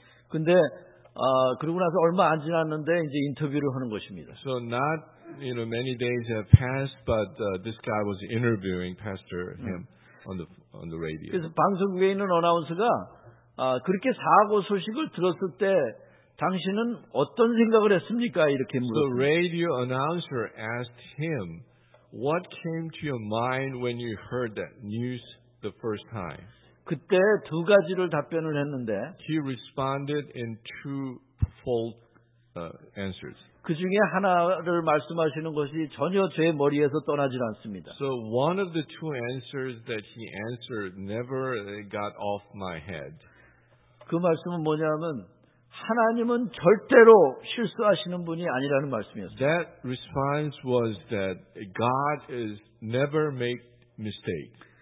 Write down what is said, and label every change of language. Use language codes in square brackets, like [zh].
[ko] 근데 그러고 나서 얼마 안 지났는데 이제 인터뷰를 하는 것입니다. [en] So not you know many days have passed, but this guy was interviewing Pastor him on the radio. [ko] 그래서 방송국에 있는 어나운서가 그렇게 사고 소식을 들었을 때 당신은 어떤 생각을 했습니까? 이렇게 물었어요. [en] The radio announcer asked him, "What came to your mind when you heard that news the first time?" [ko] 그때 두 가지를 답변을 했는데. [en] He responded in twofold answers. [ko] 그 중에 하나를 말씀하시는 것이 전혀 제 머리에서 떠나질 않습니다. [en] So one of the two answers that he answered never got off my head. [ko] 그 말씀은 뭐냐면. 하나님은 절대로 실수하시는 분이 아니라는 말씀이었어요. [en] That response was that God is never make mistake.